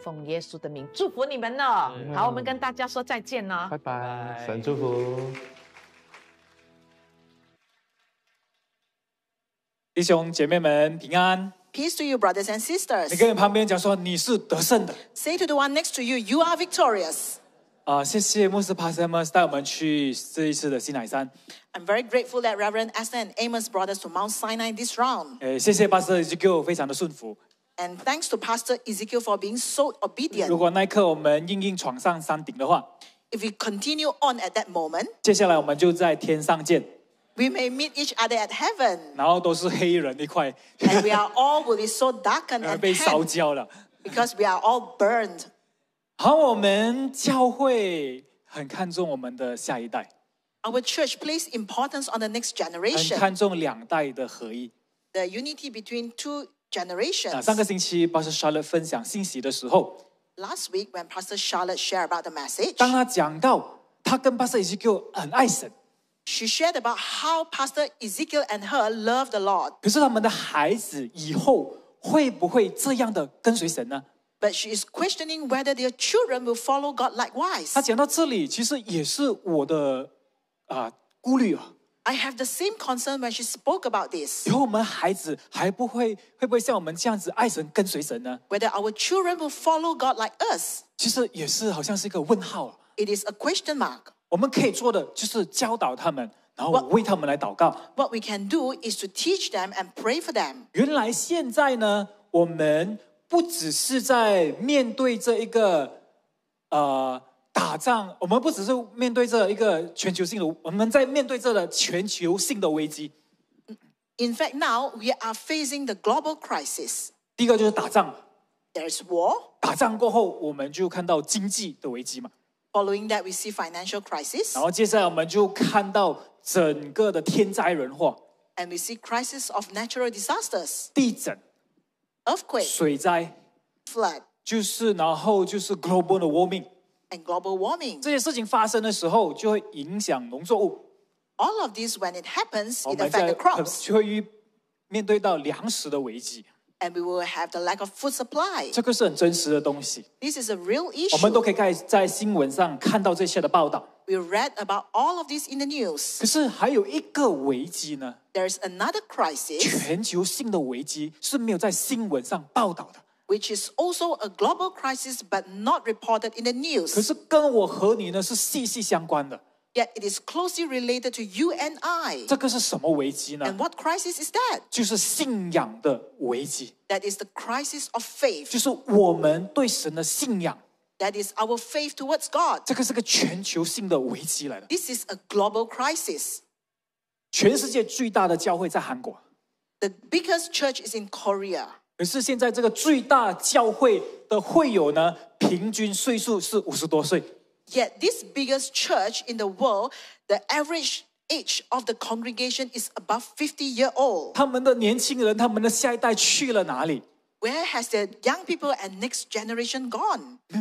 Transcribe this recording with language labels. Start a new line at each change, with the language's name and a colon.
Chinese: 奉耶稣的名祝福你们哦。好，我们跟大家说再见哦，拜拜，神祝福。弟兄姐妹们平安。
English: Peace to you, brothers and sisters.
Chinese: 你跟你旁边讲说你是得胜的。
English: Say to the one next to you, you are victorious.
Chinese: 啊、谢谢牧师 Pastor Amos 带我们去这一次的西乃山。
English: I'm very grateful that Reverend Aston and Amos brought us to Mount Sinai this round.
Chinese: 谢谢 Pastor Ezekiel 非常的顺服。
English: And thanks to Pastor Ezekiel for being so obedient.
Chinese: 如果那一刻我们硬硬闯上山顶的话
English: ，If we continue on at that moment，
Chinese: 接下来我们就在天上见。
English: We may meet each other at heaven.
Chinese: 然后都是黑人一块。
English: And we are all will be so darkened and
Chinese: 被烧焦了。
English: Because we are all burned.
Chinese: 好，我们教会很看重我们的下一代。
English: Our church places importance on the next generation.
Chinese: 很看重两代的合一。
English: The unity between two generations.
Chinese: 上个星期 Pastor Charlotte 分享信息的时候。
English: Last week when Pastor Charlotte shared about the message.
Chinese: 当他讲到他跟 Pastor Ezekiel 很爱神。
English: She shared about how Pastor Ezekiel and her love the Lord.
Chinese: 可是他们的孩子以后会不会这样的跟随神呢？
English: But she is questioning whether their children will follow God likewise.
Chinese: 他讲到这里，其实也是我的顾虑啊。
English: I have the same concern when she spoke about this.
Chinese: 以后我们孩子还不会会不会像我们这样子爱神跟随神呢？
English: Whether our children will follow God like us.
Chinese: 其实也是好像是一个问号。
English: It is a question mark.
Chinese: 我们可以做的就是教导他们，然后为他们来祷告。
English: What we can do is to teach them and pray for them.
Chinese: 原来现在呢，我们不只是在面对这一个打仗，我们不只是面对这一个全球性的，我们在面对这个全球性的危机。
English: In fact, now we are facing the global crisis.
Chinese: 第一个就是打仗。
English: There's war.
Chinese: 打仗过后，我们就看到经济的危机嘛。
English: Following that, we see financial crisis.
Chinese: 然后接下来我们就看到整个的天灾人祸。
English: And we see crisis of natural disasters.
Chinese: 地震。
English: Earthquake.
Chinese: 水灾。
English: Flood.
Chinese: 就是然后就是 global warming.
English: And global warming.
Chinese: 这些事情发生的时候就会影响农作物。
English: All of this, when it happens, it affects the crops.
Chinese: 就会面对到粮食的危机。
English: And we will have the lack of food supply.
Chinese: 这个是很真实的东西。
English: This is a real issue.
Chinese: 我们都可以在新闻上看到这些的报道。
English: We read about all of this in the news.
Chinese: 可是还有一个危机呢。
English: There is another crisis.
Chinese: 全球性的危机是没有在新闻上报道的。
English: Which is also a global crisis but not reported in the news.
Chinese: 可是跟我和你呢是息息相关的。
English: Yet it is closely related to you and I.
Chinese: 这个是什么危机呢？
English: And what crisis is that?
Chinese: 就是信仰的危机。
English: That is the crisis of faith.
Chinese: 就是我们对神的信仰。
English: That is our faith towards God.
Chinese: 这个是个全球性的危机来的。
English: This is a global crisis.
Chinese: 全世界最大的教会在韩国。
English: The biggest church is in Korea.
Chinese: 可是现在这个最大教会的会友呢，平均岁数是50多岁。
English: Yet this biggest church in the world, the average age of the congregation is above 50 years old.
Chinese: 他们的年轻人，他们的下一代去了哪里？
English: Where has the young people and next generation gone?